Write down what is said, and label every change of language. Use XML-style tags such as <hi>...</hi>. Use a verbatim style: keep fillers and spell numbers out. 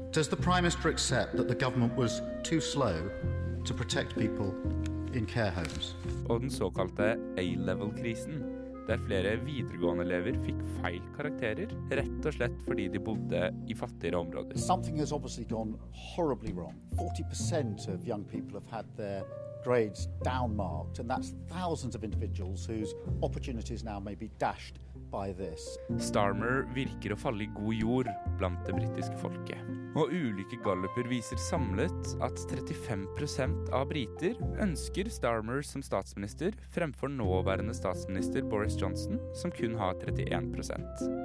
<en>Does the Prime Minister accept that the government was too slow to protect people in care homes?</en> <no>Og den såkalte A-level-krisen, der flere videregående-elever fikk feil karakterer, rett og slett fordi de bodde i fattigere områder.</no> <en>Something has obviously gone horribly wrong. forty percent of young people have had their grades downmarked, and that's thousands of individuals whose opportunities now may be dashed by this.</en> <no>Starmer virker å falle i god jord blant det britiske folket. Og ulike galluper viser samlet at trettifem prosent av briter ønsker Starmer som statsminister fremfor nåværende statsminister Boris Johnson, som kun har trettien prosent.</no>